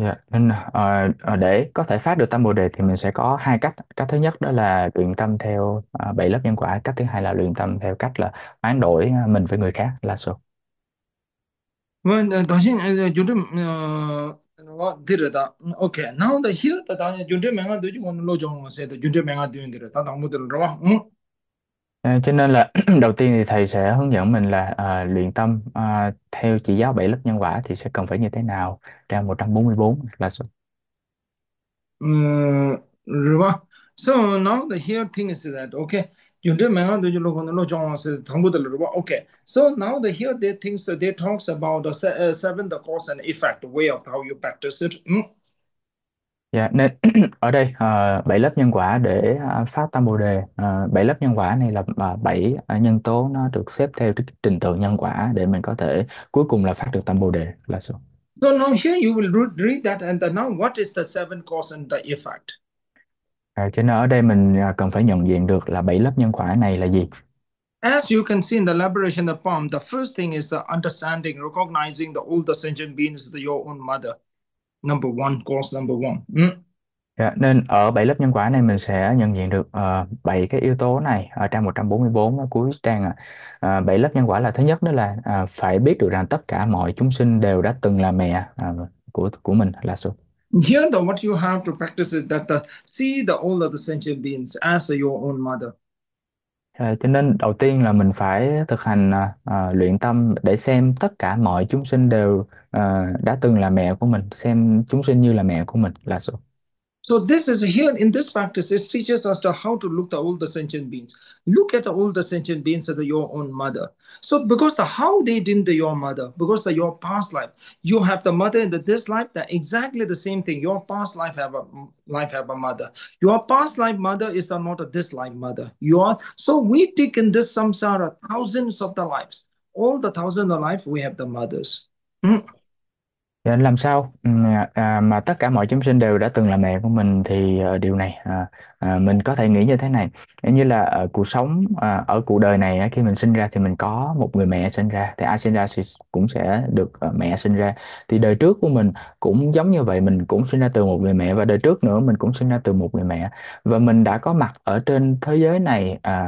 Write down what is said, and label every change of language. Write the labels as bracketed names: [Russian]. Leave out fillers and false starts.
[Vietnamese] Nên để có thể phát được tâm bồ đề thì mình sẽ có hai cách. Cách thứ nhất đó là luyện tâm theo 7 lớp nhân quả. Cách thứ hai là luyện tâm theo cách là hoán đổi mình với người khác là số. Okay, now the here the Tanya Junta Manga do you want to lodge on say the Junta Manga doing the Tata Mudra Rawa? Cho nên là đầu tiên thì thầy sẽ hướng dẫn mình là luyện tâm theo chỉ giáo 7 lớp nhân quả thì sẽ cần phải như thế nào. Trang 144 là số. Rawa. [English] So now the here thing is that, okay. Okay, so now they hear their things, so they talks about the seven, the cause and effect, way of how you practice it. [Vietnamese] Nên ở đây 7 lớp nhân quả để phát tâm bồ đề. 7 lớp nhân quả này là 7 nhân tố nó được xếp theo cái trình tự nhân quả để mình có thể cuối cùng là phát được tâm bồ đề là số. [English] So now here you will read that and then now what is the seven cause and the effect? [Vietnamese] Cho nên ở đây mình cần phải nhận diện được là 7 lớp nhân quả này là gì. [English] As you can see in the elaboration of the poem, the first thing is the understanding, recognizing the all the sentient beings is your own mother. Number one, cause number one. [Vietnamese] Nên ở 7 lớp nhân quả này mình sẽ nhận diện được 7 cái yếu tố này ở trang 144 ở cuối trang ạ. 7 lớp nhân quả là thứ nhất đó là phải biết được rằng tất cả mọi chúng sinh đều đã từng là mẹ của mình là số. [English] Here, the what you have to practice is that the see the all of the sentient beings as your own mother. [Vietnamese] Cho nên đầu tiên là mình phải thực hành luyện tâm để xem tất cả mọi chúng sinh đều đã từng là mẹ của mình, xem chúng sinh như là mẹ của mình là số. [English] So this is here in this practice, it teaches us to how to look at all the sentient beings. Look at all the sentient beings as your own mother. So because the how they didn't your mother, because the your past life, you have the mother in the this life, that exactly the same thing. Your past life have a mother. Your past life mother is not a this life mother. You are so we take in this samsara thousands of the lives. All the thousands of life we have the mothers. [Vietnamese] Làm sao mà tất cả mọi chúng sinh đều đã từng là mẹ của mình thì điều này mình có thể nghĩ như thế này, như là ở cuộc sống ở cuộc đời này khi mình sinh ra thì mình có một người mẹ sinh ra, thì ai sinh ra thì cũng sẽ được mẹ sinh ra, thì đời trước của mình cũng giống như vậy, mình cũng sinh ra từ một người mẹ và đời trước nữa mình cũng sinh ra từ một người mẹ, và mình đã có mặt ở trên thế giới này